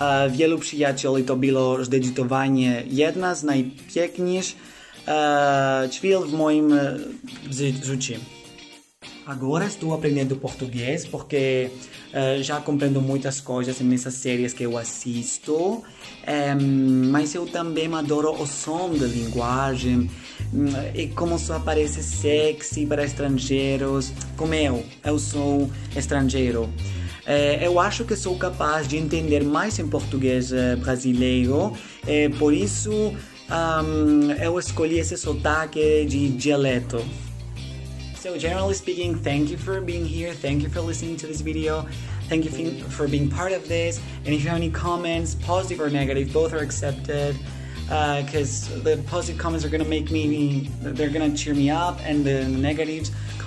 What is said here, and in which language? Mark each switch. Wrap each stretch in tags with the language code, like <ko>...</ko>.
<pl>Wielu przyjacieli to było zdecydowanie jedna z najpiękniejszych chwil w moim życiu.</pl> <pt>Agora estou aprendendo português porque já compreendo muitas coisas nessas séries que eu assisto. Mas eu também adoro o som da linguagem e como só aparece sexy para estrangeiros. Como eu sou estrangeiro. Eu acho que sou capaz de entender mais em português brasileiro. Por isso, eu escolhi esse sotaque de dialeto.</pt> <en>So generally speaking, thank you for being here, thank you for listening to this video, thank you for being part of this, and if you have any comments, positive or negative, both are accepted, because the positive comments are gonna make me, they're gonna cheer me up, and the negatives, come</en>